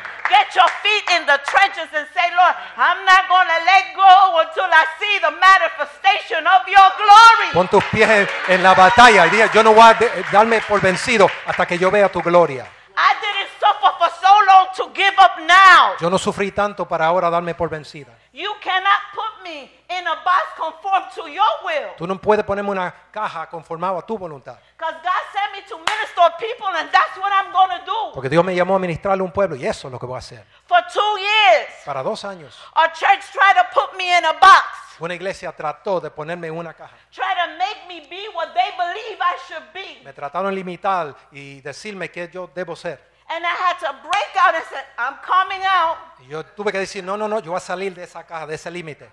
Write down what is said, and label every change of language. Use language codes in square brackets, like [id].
[en] Get your feet in the trenches and say, Lord, I'm not going to let go until I see the manifestation of your glory. [es] Pon tus pies en la batalla y diga, yo no voy a darme por vencido hasta que yo vea tu gloria. [en] I didn't suffer for so long to give up now. [es] Yo no sufrí tanto para ahora darme por vencida. [en] You cannot put me in a box conformed to your will. [es] Tú no puedes ponerme una caja conformada a tu voluntad. [en] Because God sent me to minister people, and that's what I'm going to do. [es] Porque Dios me llamó a ministrarle un pueblo, y eso es lo que voy a hacer. [en] For 2 years. [es] Para 2 años. [en] A church tried to put me in a box. [es] Una iglesia trató de ponerme en una caja. [en] Try to make me be what they believe I should be. [es] Me trataron de limitar y decirme qué yo debo ser. [en] And I had to break out and say, I'm coming out. [es] Yo tuve que decir, no, yo voy a salir de esa caja, de ese límite.